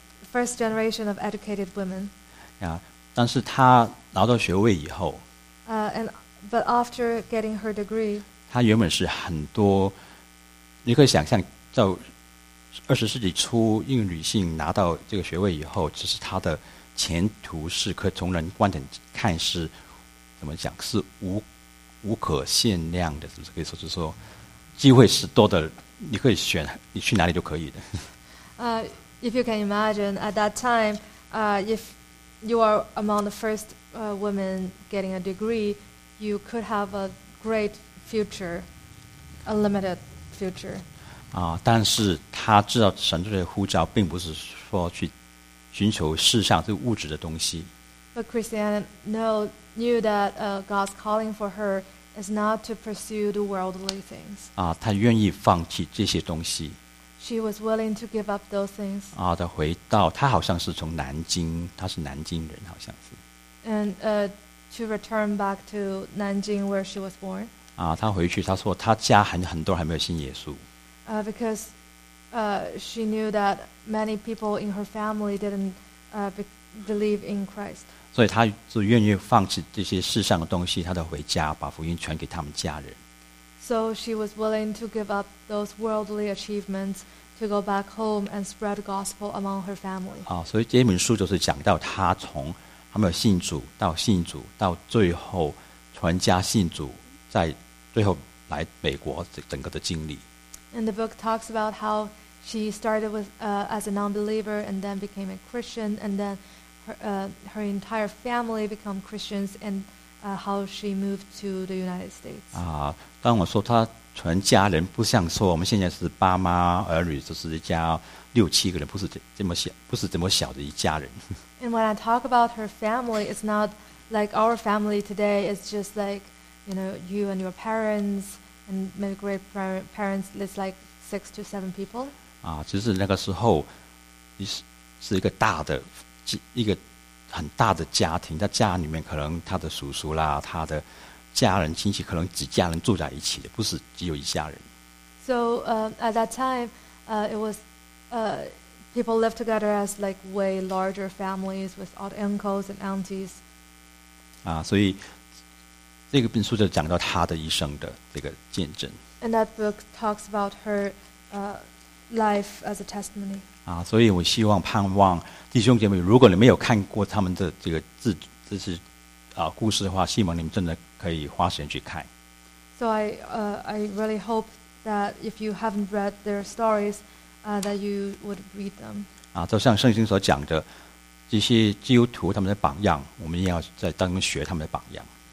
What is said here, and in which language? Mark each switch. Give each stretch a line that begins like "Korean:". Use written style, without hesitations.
English: First generation of educated women.
Chinese: Yeah, 但是她拿到学位以后
English: But after getting her degree,
Chinese: 她原本是很多，你可以想象，到二十世纪初，一个女性拿到这个学位以后，其实她的前途是可从人观点看是怎么讲是无可限量的，是不是可以说就是说机会是多的，你可以选你去哪里就可以的。
English: If you can imagine, at that time, if you are among the first women getting a degree, you could have a great future, a limited future.
Chinese: 啊，但是他知道神对的呼召，并不是说去寻求世上这物质的东西。
English: But Christiana knew that God's calling for her is not to pursue the worldly things.
Chinese: 啊，他愿意放弃这些东西。
English: She was willing to give up those things.
Chinese: 啊，她回到，她好像是从南京，她是南京人，好像是。
English: And to return back to Nanjing where she was born.
Chinese: 啊，她回去，她说她家很多还没有信耶稣。
English: Because she knew that many people in her family didn't believe in Christ.
Chinese: 所以她就愿意放弃这些世上的东西，她的回家，把福音传给他们家人。
English: So she was willing to give up those worldly achievements to go back home and spread gospel among her family.
Chinese: 啊，所以这本书就是讲到她从还没有信主到信主，到最后全家信主，在最后来美国整个的经历。
English: And the book talks about how she started with as a non-believer and then became a Christian, and then her entire family become Christians and. How she moved to the United States.
Chinese: 啊，当我说她全家人不像说我们现在是爸妈儿女，就是一家六七个人，不是这么小的一家人。
English: And when I talk about her family, it's not like our family today. It's just like you know you and your parents and my great parents. It's like 6 to 7 people.
Chinese: 啊，其实那个时候，是一个大的一个。很大的家庭，在家里面可能他的叔叔啦，他的家人亲戚可能几家人住在一起的，不是只有一家人。
English: So at that time, it was people lived together as like way larger families with all the uncles and aunties.
Chinese: 啊，所以这个病书就讲到她的一生的这个见证。
English: And that book talks about her, life as a testimony.
Chinese: 啊，所以我希望盼望弟兄姐妹，如果你没有看过他们的这个自这是啊故事的话，希望你们真的可以花时间去看。
English: So I really hope that if you haven't read their stories, that you would read them.
Chinese: 啊，就像圣经所讲的。这些基督徒他们的榜样，我们要在当中学他们的榜样。